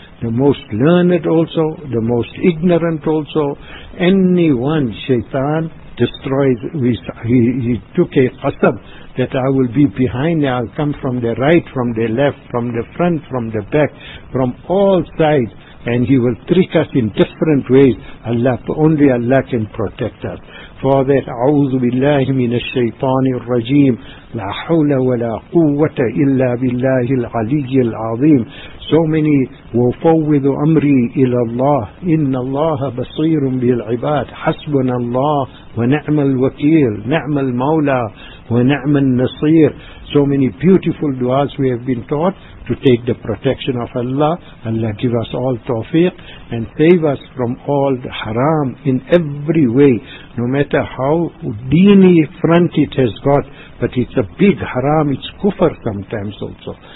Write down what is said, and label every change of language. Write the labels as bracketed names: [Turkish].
[English] The most learned also, the most ignorant also, anyone shaitan destroys. He took a qasam that I will be behind, I'll come from the right, from the left, from the front, from the back, from all sides. And he will trick us in different ways. Only Allah can protect us. For that, [Arabic] أعوذ بالله من الشيطان الرجيم لا حول ولا قوة إلا بالله العلي العظيم. [English] So many [Arabic] وفوض أمري إلى الله إن الله بصير بالعباد حسبنا الله ونعم الوكيل نعم المولى ونعم النصير. [English] So many beautiful du'as we have been taught to take the protection of Allah. Allah give us all tawfiq and save us from all the haram in every way. No matter how deeny front it has got, but it's a big haram, it's kufr sometimes also.